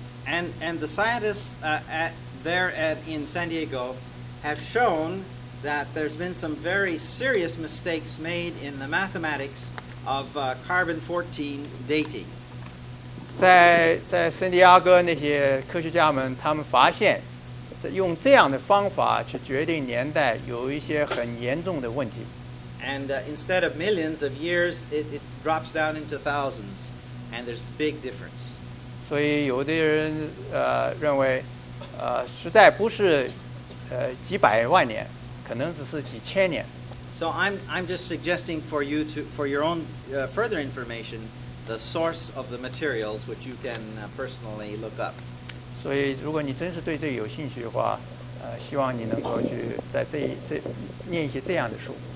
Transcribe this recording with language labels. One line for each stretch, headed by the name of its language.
English: And the scientists in San Diego have shown. That there's been some very serious mistakes made in the mathematics of carbon-14 dating.
Chinese: 在圣地亚哥那些科学家们，他们发现，用这样的方法去决定年代，有一些很严重的问题。
English: And instead of millions of years, it drops down into thousands, and there's big difference.
Chinese: 所以有的人认为，实在不是几百万年。可能只是几千年。
English: So I'm just suggesting for you to for your own further information, the source of the materials which you can personally look up.
Chinese: 所以如果你真是对这个有兴趣的话，希望你能够去在这念一些这样的书。